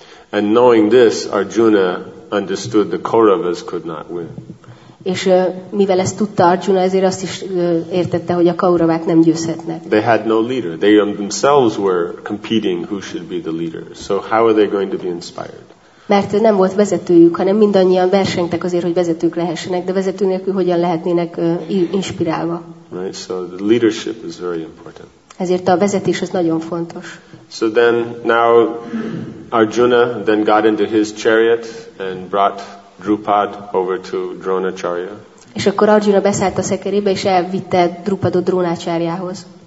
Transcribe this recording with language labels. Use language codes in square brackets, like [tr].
[en] And knowing this, Arjuna understood the Kauravas could not win. [hu] És mivel ezt tudta Arjuna, ezért azt is értette, hogy a Kauravák nem győzhetnek. [en] They had no leader. They themselves were competing who should be the leader. So how are they going to be inspired? [hu] Mert nem volt vezetőjük, hanem mindannyian versengtek azért, hogy vezetők lehessenek, de vezető nélkül hogyan lehetnének inspirálva? [en] Right, so the leadership is very important. [hu] Ezért a vezetés az nagyon fontos. [en] So then now Arjuna then got into his chariot and brought Drupad over to Dronacharya. [hu] És akkor Arjuna beszállt a szekerébe és elvitte Drupadot Drónácsárjához.